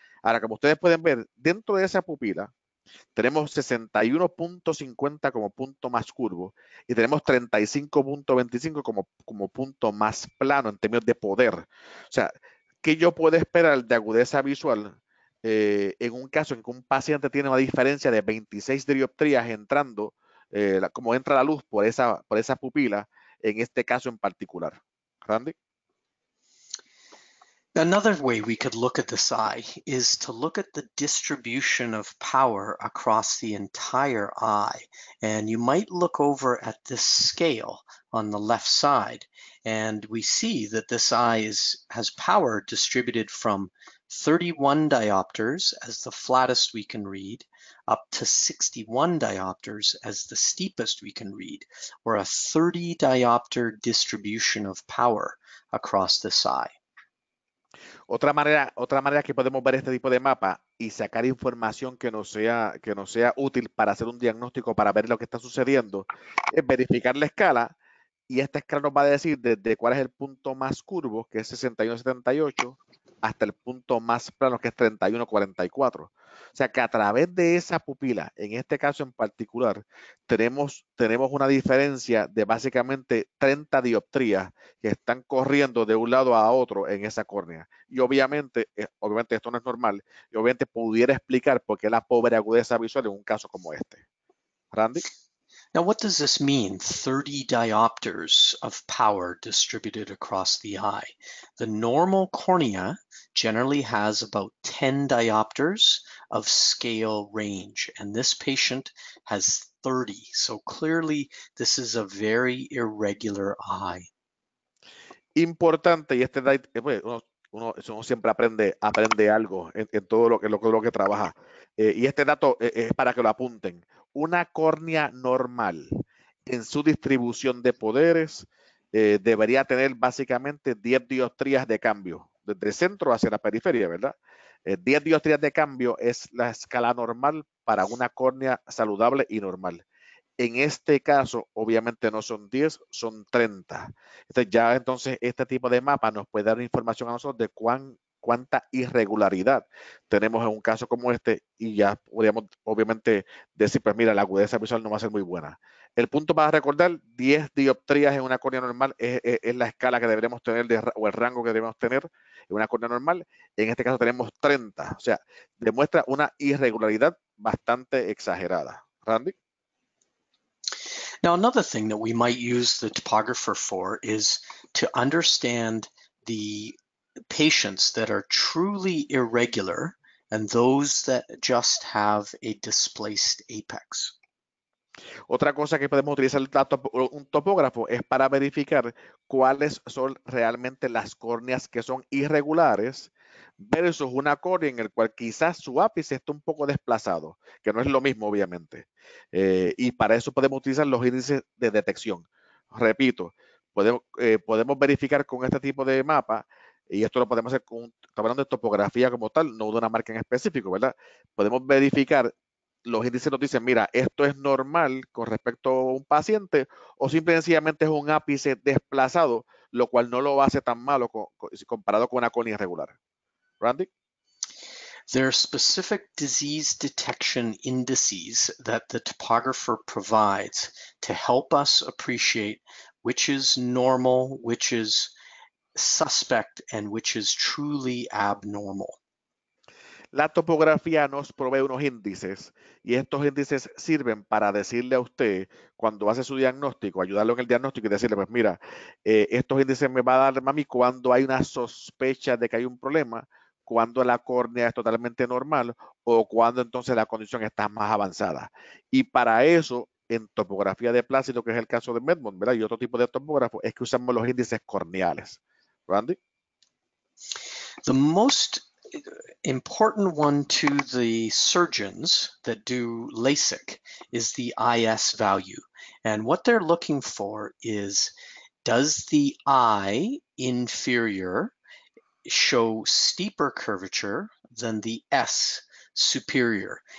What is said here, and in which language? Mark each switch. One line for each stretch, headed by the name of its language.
Spanish: Ahora, como ustedes pueden ver, dentro de esa pupila tenemos 61.50 como punto más curvo y tenemos 35.25 como punto más plano en términos de poder. O sea, ¿qué yo puedo esperar de agudeza visual? En un caso en que un paciente tiene una diferencia de 26 dioptrías entrando, como entra la luz por esa pupila, en este caso en particular. Randy.
English: Another way we could look at this eye is to look at the distribution of power across the entire eye. And you might look over at this scale on the left side, and we see that this eye has power distributed from 31 diopters as the flattest we can read, up to 61 diopters as the steepest we can read, or a 30 diopter distribution of power across this eye.
Spanish: Otra manera que podemos ver este tipo de mapa y sacar información que nos sea útil para hacer un diagnóstico, para ver lo que está sucediendo, es verificar la escala. Y esta escala nos va a decir desde cuál es el punto más curvo, que es 61.78, hasta el punto más plano, que es 31.44. O sea que a través de esa pupila, en este caso en particular, tenemos una diferencia de básicamente 30 dioptrías que están corriendo de un lado a otro en esa córnea. Y obviamente esto no es normal, y obviamente pudiera explicar por qué la pobre agudeza visual en un caso como este. Randy.
English: Now, what does this mean? 30 diopters of power distributed across the eye. The normal cornea generally has about 10 diopters of scale range, and this patient has 30. So clearly, this is a very irregular eye.
Spanish: Importante, y este dato, uno siempre aprende algo en todo lo que trabaja. Y este dato es para que lo apunten. Una córnea normal en su distribución de poderes debería tener básicamente 10 dioptrías de cambio, desde el centro hacia la periferia, ¿verdad? 10 dioptrías de cambio es la escala normal para una córnea saludable y normal. En este caso, obviamente no son 10, son 30. Entonces, ya entonces este tipo de mapa nos puede dar información a nosotros de cuán cuánta irregularidad tenemos en un caso como este y ya podríamos obviamente decir, pues mira, la agudeza visual no va a ser muy buena. El punto para recordar, 10 dioptrías en una córnea normal es la escala que deberíamos tener o el rango que deberíamos tener en una córnea normal. En este caso tenemos 30, o sea, demuestra una irregularidad bastante exagerada. Randy.
English: Now, another thing that we might use the topographer for is to understand the patients that are truly irregular and those that just have a displaced apex.
Spanish: Otra cosa que podemos utilizar un topógrafo es para verificar cuáles son realmente las córneas que son irregulares versus una córnea en el cual quizás su ápice está un poco desplazado, que no es lo mismo, obviamente. Y para eso podemos utilizar los índices de detección. Repito, podemos verificar con este tipo de mapa, y esto lo podemos hacer con, hablando de topografía como tal, no de una marca en específico, ¿verdad? Podemos verificar, los índices nos dicen, mira, esto es normal con respecto a un paciente, o simplemente es un ápice desplazado, lo cual no lo hace tan malo comparado con una córnea irregular. Randy?
English: There are specific disease detection indices that the topographer provides to help us appreciate which is normal, which is suspect, and which is truly abnormal.
Spanish: La topografía nos provee unos índices, y estos índices sirven para decirle a usted, cuando hace su diagnóstico, ayudarlo en el diagnóstico y decirle, pues mira, estos índices me va a dar mami cuando hay una sospecha de que hay un problema, cuando la córnea es totalmente normal o cuando entonces la condición está más avanzada. Y para eso, en topografía de plácido, que es el caso de Medmont, ¿verdad? Y otro tipo de topógrafo, es que usamos los índices corneales. Randy?
English: The most important one to the surgeons that do LASIK is the IS value. And what they're looking for is, does the eye inferior show steeper curvature than the S superior?